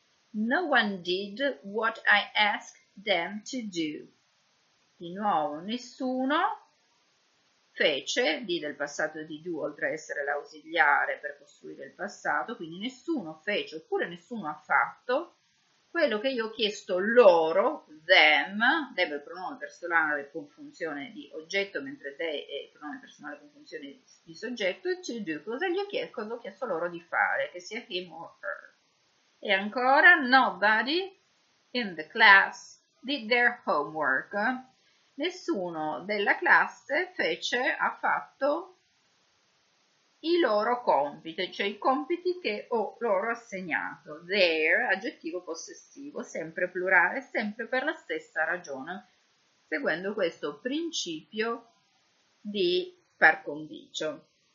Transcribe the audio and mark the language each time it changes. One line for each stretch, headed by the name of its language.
English: No one did what I asked them to do.
Italian: Di nuovo, nessuno fece, di del passato di do, oltre a essere l'ausiliare per costruire il passato, quindi nessuno fece, oppure nessuno ha fatto, quello che io ho chiesto loro, them è il pronome personale con funzione di oggetto, mentre they è il pronome personale con funzione di soggetto, e to do, cosa ho chiesto loro di fare, che sia
English: him or her.
Italian: E ancora,
English: nobody in the class did their homework.
Italian: Nessuno della classe ha fatto i loro compiti, cioè i compiti che ho loro assegnato. Their, aggettivo possessivo, sempre plurale, sempre per la stessa ragione, seguendo questo principio di par condicio.